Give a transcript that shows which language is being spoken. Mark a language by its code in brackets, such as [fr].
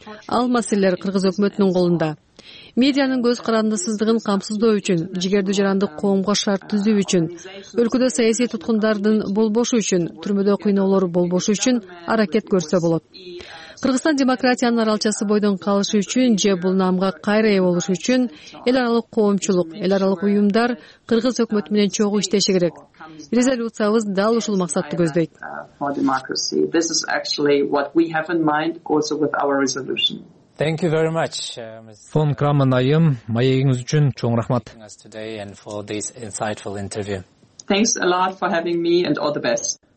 [ky] Ал маселелер кыргыз өкмөтүнүн колунда. Медианын көз карандысыздыгын камсыздоо үчүн, жигердүү жарандык коомго шарт түзүү үчүн, өлкөдө саясий туткундардын болбошу үчүн, түрмөдө кыйноолор болбошу үчүн аракет көрсө болот. Кыргызстан демократиянын аралчасы бойдон калышы үчүн же бул намга кайра ээ болушу үчүн эл аралык коомчулук, эл аралык уюмдар кыргыз өкмөтү менен чогуу иштеши керек. Резолюциябыз дал ушул максатты көздөйт. [en] This is actually what we have in mind also with our resolution. Thank you very much. [ky] Фон Краман айым, маегиңиз үчүн чоң рахмат. [en] Thanks a lot for having me and all the best.